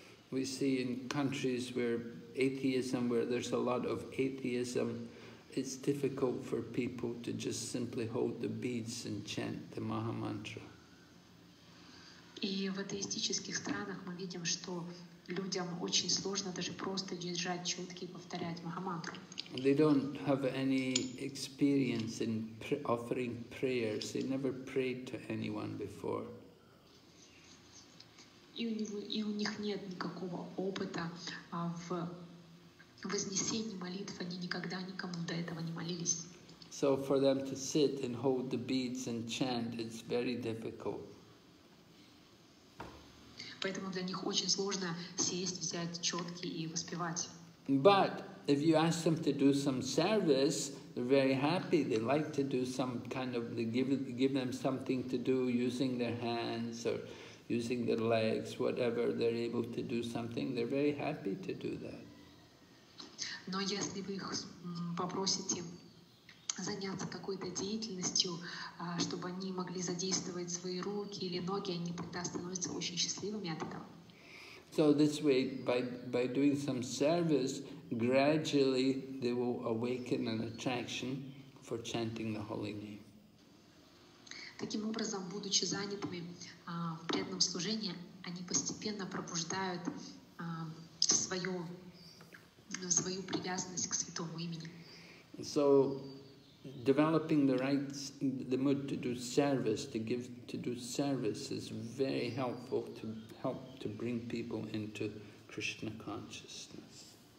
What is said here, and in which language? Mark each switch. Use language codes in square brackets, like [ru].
[en] We see in countries where atheism, where there's a lot of atheism, it's difficult for people to just simply hold the beads and chant the Maha Mantra. [ru] И в атеистических странах мы видим, что людям очень сложно даже просто держать чётки и повторять Маха Мантру. [en] They don't have any experience in offering prayers. They never prayed to anyone before. [ru] И у них нет никакого опыта в вознесении молитв, они никогда никому до этого не молились. [en] So for them to sit and hold the beads and chant, it's very difficult. [ru] Поэтому для них очень сложно сесть, взять чётки и воспевать. [en] But if you ask them to do some service, they're very happy. They like to do some kind of, they give them something to do using their hands or using their legs, whatever, they're able to do something, they're very happy to do that. [ru] Но если вы их попросите заняться какой-то деятельностью, чтобы они могли задействовать свои руки или ноги, они тогда становятся очень счастливыми от этого. [en] So this way, by doing some service, gradually they will awaken an attraction for chanting the holy name. [ru] Таким образом, будучи занятыми в преданном служении, они постепенно пробуждают свою привязанность к святому имени. [en] So, developing the right, the mood to do service, to give, to do service is very helpful to help to bring people into Krishna consciousness.